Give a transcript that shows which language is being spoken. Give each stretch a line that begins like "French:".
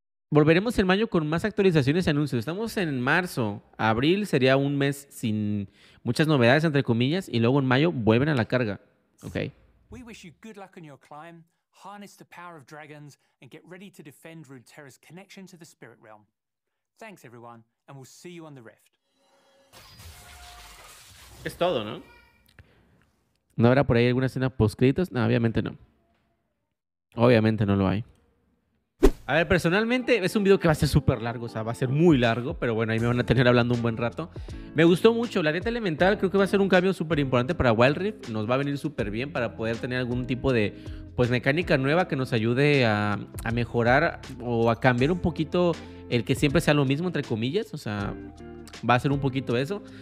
Spanish: Volveremos en mayo con más actualizaciones y anuncios. Estamos en marzo. Abril sería un mes sin muchas novedades, entre comillas, y luego en mayo vuelven a la carga. Okay.
English: We wish you good luck on your climb, harness the power of dragons, and get ready to defend Runeterra's connection to the spirit realm. Thanks, everyone, and we'll see you on the rift.
Spanish: Es todo, ¿no? ¿No habrá por ahí alguna escena post-créditos? No, obviamente no. Obviamente no lo hay. A ver, personalmente, es un video que va a ser súper largo, o sea, va a ser muy largo, pero bueno, ahí me van a tener hablando un buen rato. Me gustó mucho, la dieta elemental creo que va a ser un cambio súper importante para Wild Rift, nos va a venir súper bien para poder tener algún tipo de, pues, mecánica nueva que nos ayude a mejorar o a cambiar un poquito el que siempre sea lo mismo, entre comillas, o sea, va a ser un poquito eso.